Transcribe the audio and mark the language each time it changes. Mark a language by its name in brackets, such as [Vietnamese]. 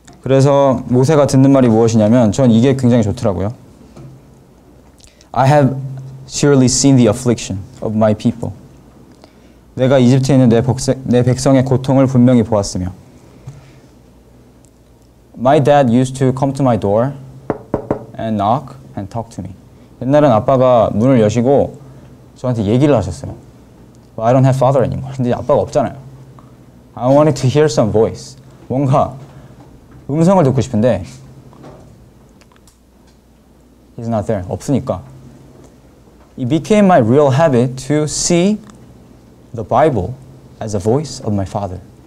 [English] I have surely seen the affliction of my people. [Korean] 내가 이집트에 있는 내 백성의 고통을 분명히 보았으며. [English] My dad used to come to my door and knock and talk to me. [Korean] 옛날엔 아빠가 문을 여시고 저한테 얘기를 하셨어요. [English] I don't have father anymore. [Korean] 근데 아빠가 없잖아요. [English] I wanted to hear some voice. [Korean] 뭔가 음성을 듣고 싶은데 [English] He's not there. [Korean] 없으니까 [English] It became my real habit to see the Bible as a voice of my father.